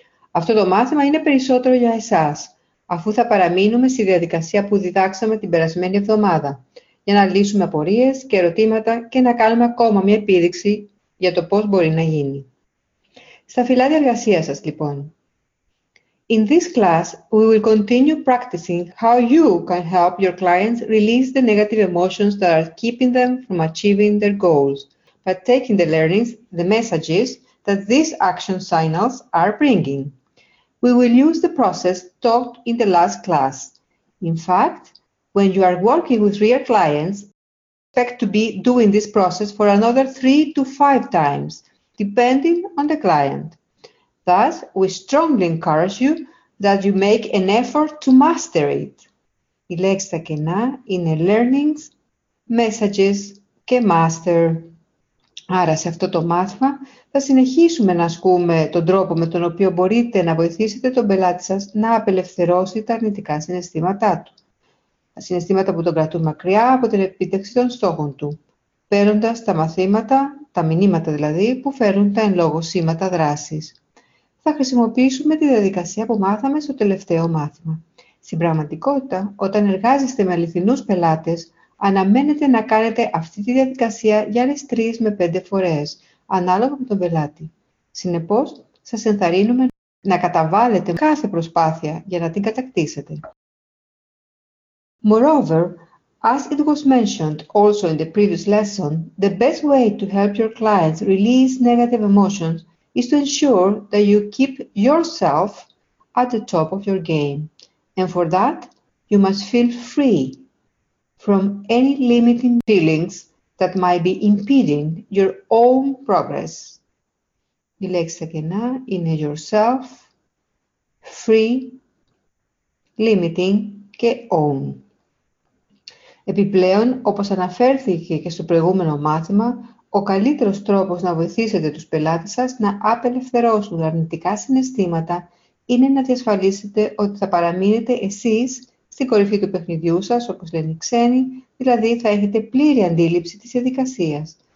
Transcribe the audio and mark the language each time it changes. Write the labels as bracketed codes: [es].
[el] Αυτό το μάθημα είναι περισσότερο για εσάς, αφού θα παραμείνουμε στη διαδικασία που διδάξαμε την περασμένη εβδομάδα, για να λύσουμε απορίες και ερωτήματα και να κάνουμε ακόμα μια επίδειξη για το πώς μπορεί να γίνει. Στα φυλάδια εργασίας σας, λοιπόν. [en] In this class, we will continue practicing how you can help your clients release the negative emotions that are keeping them from achieving their goals by taking the learnings, the messages that these action signals are bringing. We will use the process taught in the last class. In fact, when you are working with real clients, expect to be doing this process for another 3 to 5 times, depending on the client. Thus, we strongly encourage you that you make an effort to master it. [el] Η λέξη τα κενά είναι learnings, messages και master. Άρα, σε αυτό το μάθημα θα συνεχίσουμε να ασκούμε τον τρόπο με τον οποίο μπορείτε να βοηθήσετε τον πελάτη σας να απελευθερώσει τα αρνητικά συναισθήματά του. Τα συναισθήματα που τον κρατούν μακριά από την επίτευξη των στόχων του, παίρνοντας τα μαθήματα, τα μηνύματα δηλαδή, που φέρουν τα εν λόγω σήματα δράσης. Θα χρησιμοποιήσουμε τη διαδικασία που μάθαμε στο τελευταίο μάθημα. Στην πραγματικότητα, όταν εργάζεστε με αληθινούς πελάτες, αναμένετε να κάνετε αυτή τη διαδικασία για άλλες 3 με 5 φορές, ανάλογα με τον πελάτη. Συνεπώς, σας ενθαρρύνουμε να καταβάλλετε κάθε προσπάθεια για να την κατακτήσετε. [en] Moreover, as it was mentioned also in the previous lesson, the best way to help your clients release negative emotions is to ensure that you keep yourself at the top of your game. And for that, you must feel free from any limiting feelings that might be impeding your own progress. [el] Η λέξη τα κενά είναι yourself, free, limiting και own. Επιπλέον, όπως αναφέρθηκε και στο προηγούμενο μάθημα, ο καλύτερος τρόπος να βοηθήσετε τους πελάτες σας να απελευθερώσουν αρνητικά συναισθήματα είναι να διασφαλίσετε ότι θα παραμείνετε εσείς στην κορυφή του παιχνιδιού σας, όπως λένε οι ξένοι, δηλαδή θα έχετε πλήρη αντίληψη της διαδικασίας.